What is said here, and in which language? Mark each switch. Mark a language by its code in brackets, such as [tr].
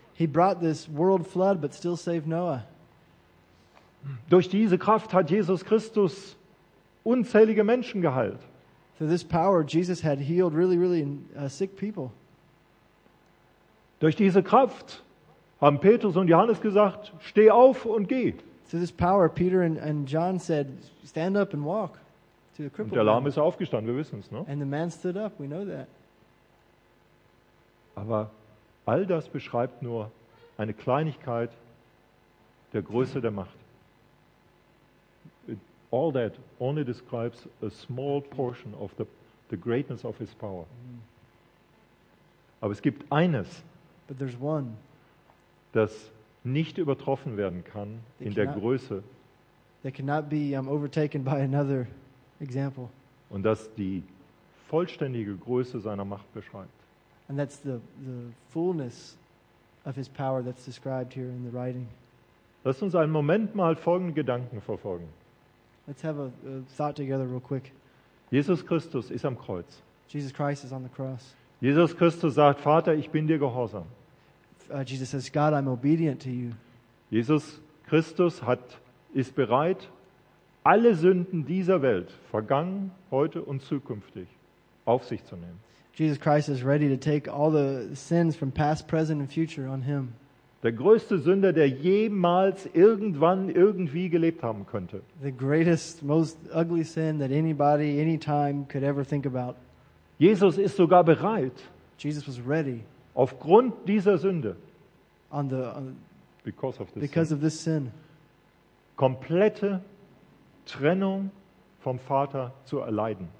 [en] He brought this world flood, but still saved Noah. [de] Durch diese Kraft hat Jesus Christus unzählige Menschen geheilt. [en] Through this power, Jesus had healed really, really sick people. [de] Durch diese Kraft haben Petrus und Johannes gesagt, steh auf und geh. [en] Through this power, Peter and John said, stand up and walk. [de] Und der Lahme ist aufgestanden, wir wissen es, ne? [en] And the man stood up, we know that. [de] Aber all das beschreibt nur eine Kleinigkeit der Größe der Macht. [en] All that only describes a small portion of the greatness of his power. [de] Aber es gibt eines, [en] but there's one, [de] das nicht übertroffen werden kann in der Größe. [en] That cannot be overtaken by another example. [de] Und das die vollständige Größe seiner Macht beschreibt. [en] And that's the fullness of his power that's described here in the writing. [de] Lass uns einen Moment mal folgenden Gedanken verfolgen. [en] Let's have a thought together real quick. [de] Jesus Christus ist am Kreuz. [en] Jesus Christ is on the cross. [de] Jesus Christus sagt, Vater, ich bin dir gehorsam. [en] Jesus says, God, I'm obedient to you. [de] Jesus Christus ist bereit, alle Sünden dieser Welt, vergangen, heute und zukünftig, auf sich zu nehmen. [en] Jesus Christ is ready to take all the sins from past, present and future on him. [de] Der größte Sünder, der jemals irgendwann irgendwie gelebt haben könnte. [en] The greatest, most ugly sin that anybody, anytime could ever think about. [de] Jesus ist sogar bereit. [en] Jesus was ready. [de] Aufgrund dieser Sünde. [en] Because of this sin. [de] Komplette Trennung vom Vater zu erleiden.